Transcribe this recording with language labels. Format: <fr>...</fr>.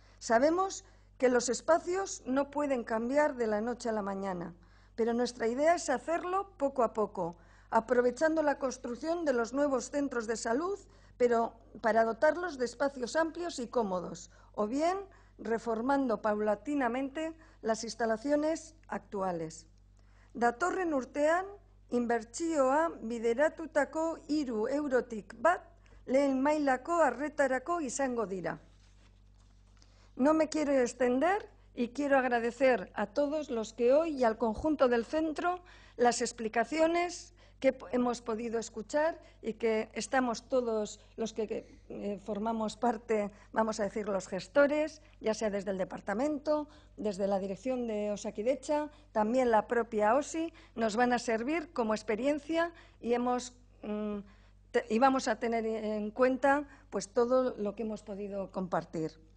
<es>Sabemos que los espacios no pueden cambiar de la noche a la mañana, pero nuestra idea es hacerlo poco a poco, aprovechando la construcción de los nuevos centros de salud, pero para dotarlos de espacios amplios y cómodos, o bien reformando paulatinamente las instalaciones actuales.</es> <eu>Datorren urtean, inbertsioa bideratutako hiru eurotik bat lehen mailako arretarako izango dira.</eu> <es>No me quiero extender y quiero agradecer a todos los que hoy y al conjunto del centro las explicaciones que hemos podido escuchar y que estamos todos los que formamos parte, vamos a decir, los gestores, ya sea desde el departamento, desde la dirección de Osakidetza, también la propia OSI, nos van a servir como experiencia y vamos a tener en cuenta pues, todo lo que hemos podido compartir.</es>